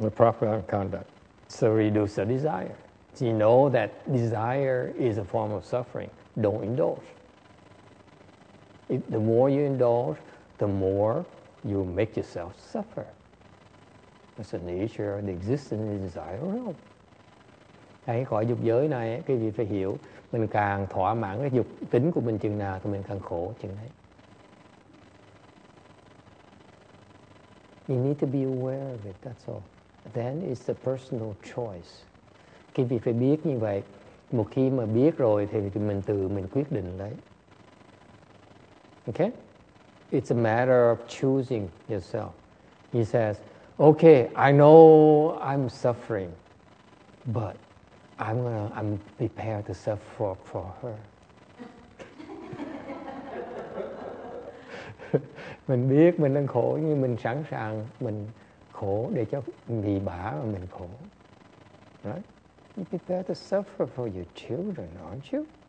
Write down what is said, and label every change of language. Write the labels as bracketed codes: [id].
[en] The proper conduct. So reduce the desire. So you know that desire is a form of suffering. Don't indulge. The more you indulge, the more you make yourself suffer. It's the nature and the existence of the desire realm. [vi] Hãy khỏi dục giới này, quý vị phải hiểu, mình càng thỏa mãn cái dục tính của mình chừng nào, thì mình càng khổ chừng đấy. [en] You need to be aware of it, that's all. Then it's the personal choice. [vi] Quý vị phải biết như vậy, một khi mà biết rồi, thì mình tự mình quyết định đấy. [en] Okay? It's a matter of choosing yourself. He says, okay, I know I'm suffering, but I'm prepared to suffer for her. [vi] Mình biết mình đang khổ nhưng mình sẵn sàng mình khổ để cho vì bà mà mình khổ. [en] Right? You're prepared to suffer for your children, aren't you?